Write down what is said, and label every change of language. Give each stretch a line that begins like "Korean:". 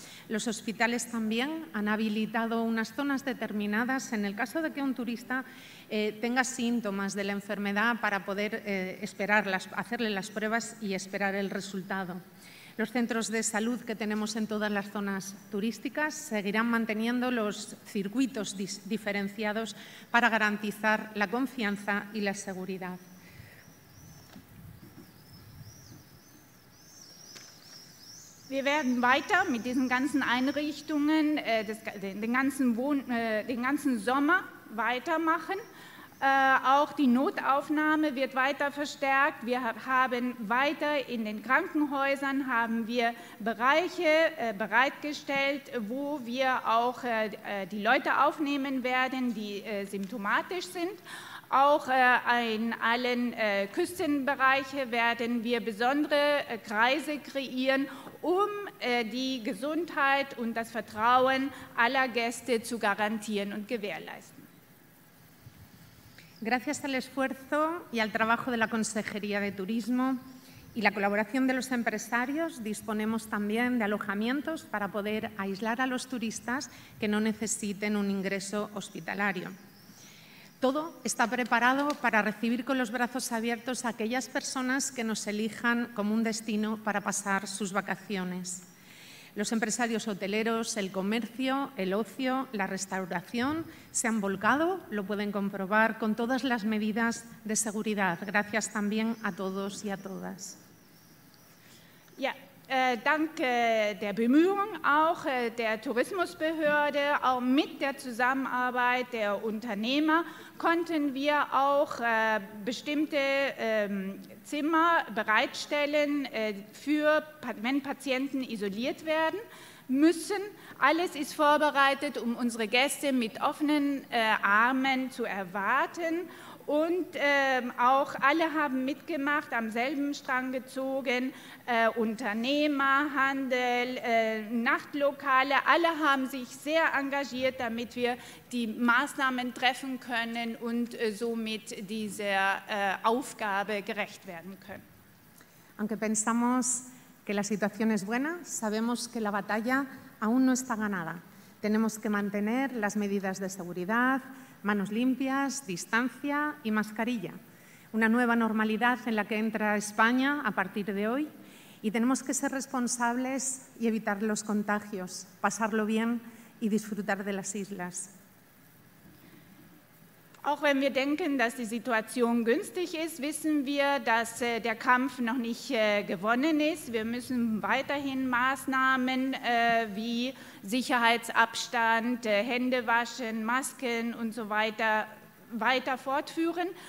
Spanish: Los hospitales también han habilitado unas zonas determinadas en el caso de que un turista tenga síntomas de la enfermedad para poder hacerle las pruebas y esperar el resultado. Los centros de salud que tenemos en todas las zonas turísticas seguirán manteniendo los circuitos diferenciados para garantizar la confianza y la seguridad.
German: Wir werden weiter mit diesen ganzen Einrichtungen den ganzen Sommer weitermachen. Auch die Notaufnahme wird weiter verstärkt. Wir haben weiter in den Krankenhäusern haben wir Bereiche bereitgestellt, wo wir auch die Leute aufnehmen werden, die symptomatisch sind. Auch in allen Küstenbereichen werden wir besondere Kreise kreieren, um die Gesundheit und das Vertrauen aller Gäste zu garantieren und gewährleisten.
Spanish: Gracias al esfuerzo y al trabajo de la Consejería de Turismo y la colaboración de los empresarios, disponemos también de alojamientos para poder aislar a los turistas que no necesiten un ingreso hospitalario. Todo está preparado para recibir con los brazos abiertos a aquellas personas que nos elijan como un destino para pasar sus vacaciones. Los empresarios hoteleros, el comercio, el ocio, la restauración se han volcado, lo pueden comprobar, con todas las medidas de seguridad. Gracias también a todos y a todas.
German: Ja, dank der Bemühung auch der Tourismusbehörde, auch mit der Zusammenarbeit der Unternehmer, konnten wir auch bestimmte Zimmer bereitstellen, für, wenn Patienten isoliert werden müssen. Alles ist vorbereitet, um unsere Gäste mit offenen Armen zu erwarten. Und auch alle haben mitgemacht, am selben Strang gezogen, Unternehmer, Handel, Nachtlokale, alle haben sich sehr engagiert, damit wir die Maßnahmen treffen können und somit dieser Aufgabe gerecht werden können.
Spanish: Aunque pensamos que la situación es buena, sabemos que la batalla aún no está ganada. Tenemos que mantener las medidas de seguridad, manos limpias, distancia y mascarilla. Una nueva normalidad en la que entra España a partir de hoy y tenemos que ser responsables y evitar los contagios, pasarlo bien y disfrutar de las islas.
German: Auch wenn wir denken, dass die Situation günstig ist, wissen wir, dass der Kampf noch nicht gewonnen ist. Wir müssen weiterhin Maßnahmen wie Sicherheitsabstand, Hände waschen, Masken und so weiter weiter fortführen.